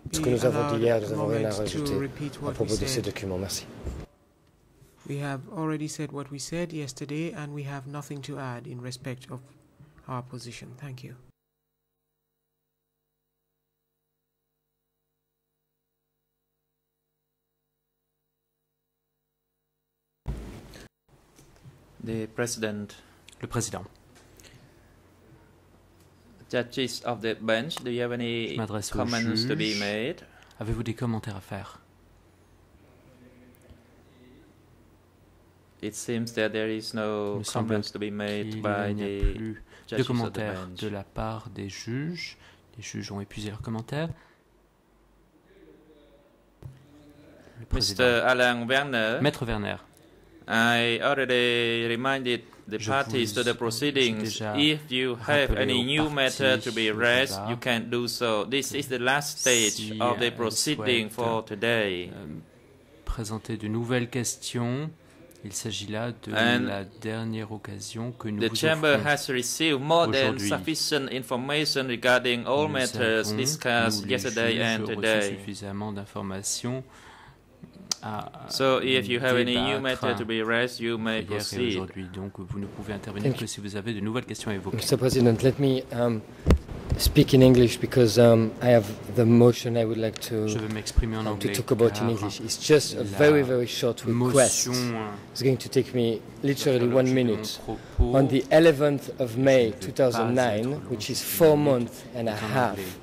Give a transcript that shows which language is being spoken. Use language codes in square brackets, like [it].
[fr] Ce que nous avons dit hier, nous avons rien à rajouter à propos de ces documents. Merci. [en] We have already said what we said yesterday, and we have nothing to add in respect of our position. Thank you. The president. [fr] Le président. [en] Judges of the bench, do you have any comments to be made? [fr] Avez-vous des commentaires à faire? [en] It seems that there is no comments to be made by the judges of the bench. [fr] De la part des juges. Les juges ont épuisé leurs commentaires. Le président. Mr. Alain Werner. Maître Werner. [en] I already reminded the parties to the proceedings. If you have any new matter to be raised, you can do so. This is the last stage of the proceeding for today. [fr] Présenter de nouvelles questions. Il s'agit là de la dernière occasion que nous [en] The chamber has received more than sufficient information regarding all matters discussed yesterday and today. [fr] Suffisamment d'informations. [en] So if you have any new matter to be raised, you may proceed. [fr] Aujourd'hui, donc, vous ne pouvez intervenir que si vous avez de nouvelles questions à évoquer. [en] Mr. President, let me speak in English because I have the motion I would like to [fr] Je veux m'exprimer en anglais. [en] To talk about in English. It's just a very, very short request. It's going to take me literally 1 minute. On the 11th of May 2009, which is 4 months and a half.